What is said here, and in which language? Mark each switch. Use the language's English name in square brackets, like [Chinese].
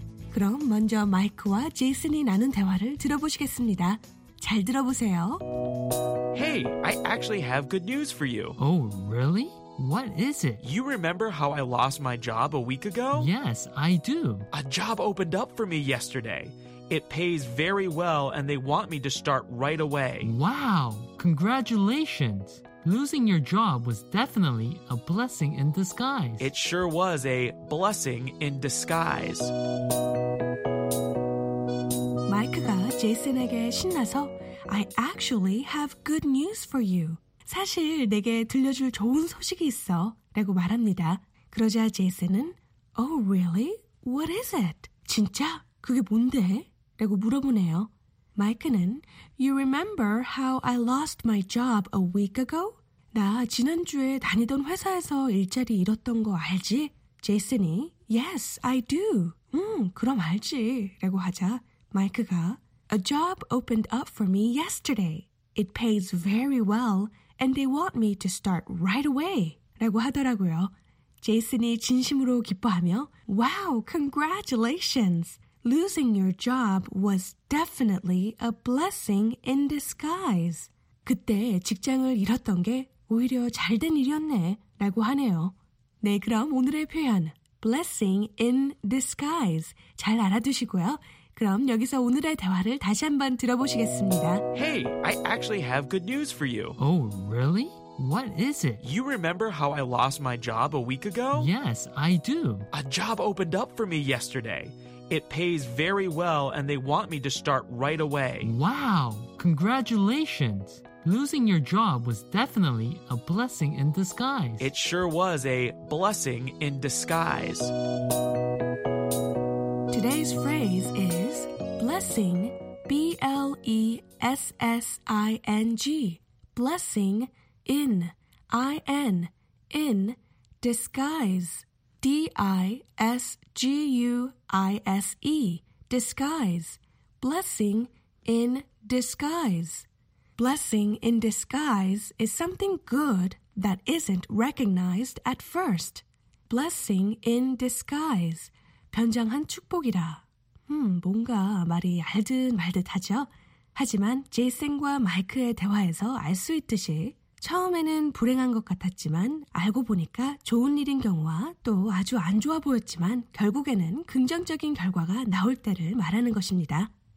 [Korean] 그럼 먼저 마이크와 제이슨이 나눈 대화를 들어보시겠습니다. 잘 들어보세요. [English] Hey, I actually have good news for you. Oh, really? What is it? You remember how I lost my job a week ago? Yes, I do. A job opened up for me yesterday. It pays very well and they want me to start right away. Wow, congratulations. Losing your job was definitely a blessing in disguise. It sure was a blessing in disguise. [Korean] 마이크가 제이슨에게 신나서 [English] I actually have good news for you. [Korean] 사실 내게 들려줄 좋은 소식이 있어 라고 말합니다. 그러자 제이슨은 [English] Oh really? What is it? [Korean] 진짜? 그게 뭔데? 라고 물어보네요. 마이크는 [English] You remember how I lost my job a week ago? [Korean] 나 지난주에 다니던 회사에서 일자리 잃었던 거 알지? 제이슨이 [English] Yes, I do. [Korean] 그럼 알지. 라고 하자 마이크가 [English] A job opened up for me yesterday. It pays very well and they want me to start right away. [Korean] 라고 하더라고요. 제이슨이 진심으로 기뻐하며 [English] Wow, congratulations! Losing your job was definitely a blessing in disguise. [Korean] 그때 직장을 잃었던 게 오히려 잘된 일이었네 라고 하네요. 네, 그럼 오늘의 표현 blessing in disguise 잘 알아두시고요. 그럼 여기서 오늘의 대화를 다시 한번 들어보시겠습니다. [English] Hey, I actually have good news for you. Oh, really? What is it? You remember how I lost my job a week ago? Yes, I do. A job opened up for me yesterday. It pays very well, and they want me to start right away. Wow, congratulations. Losing your job was definitely a blessing in disguise. It sure was a blessing in disguise. Today's phrase is blessing, B-L-E-S-S-I-N-G, blessing in disguise. D-I-S-G-U-I-S-E, disguise, blessing in disguise. Blessing in disguise is something good that isn't recognized at first. Blessing in disguise, [Korean] 변장한 축복이다. 뭔가 말이 알듯 말듯 하죠? 하지만 제이슨과 마이크의 대화에서 알 수 있듯이 처음에는 불행한 것 같았지만 알고 보니까 좋은 일인 경우와 또 아주 안 좋아 보였지만 결국에는 긍정적인 결과가 나올 때를 말하는 것입니다.